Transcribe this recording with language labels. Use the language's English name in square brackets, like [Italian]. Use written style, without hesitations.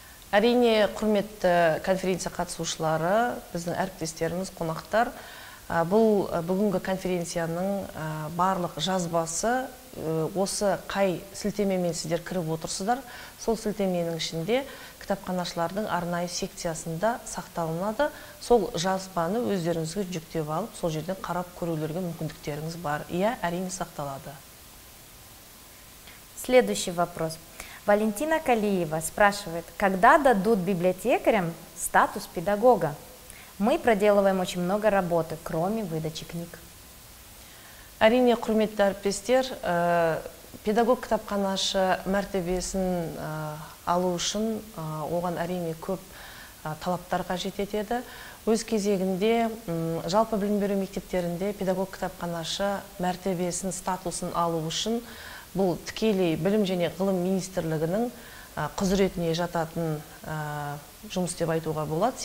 [Kazakh] Әрине, құрметті конференция қатысушылары, біздің әріптестеріміз, қонақтар, бұл бүгінгі конференцияның барлық жазбасы, осы қай сілтемемен сіздер кіріп отырсыздар, сол сілтеменің ішінде кітапханашылардың арнайы секциясында сақталынады. Сол жазбаны өздеріңізге жүктеп алып, сол жерден қарап көрулерге мүмкіндіктеріңіз бар. Иә, әрине сақталады. [Russian] Следующий вопрос. Валентина Калиева спрашивает, когда дадут библиотекарям статус педагога? Мы проделываем очень много работы, кроме выдачи книг. [Kazakh] Әрине, құрметті әріптестер, педагог кітапханашы мәртебесін алу үшін оған әрине көп талаптар қажет етеді. Өз кезегінде жалпы білім беру мектептерінде педагог кітапханашы мәртебесін, статусын алу үшін бұл тікелей білім және ғылым министрлігінің құзыретіне жататын жұмыс деп айтуға болады.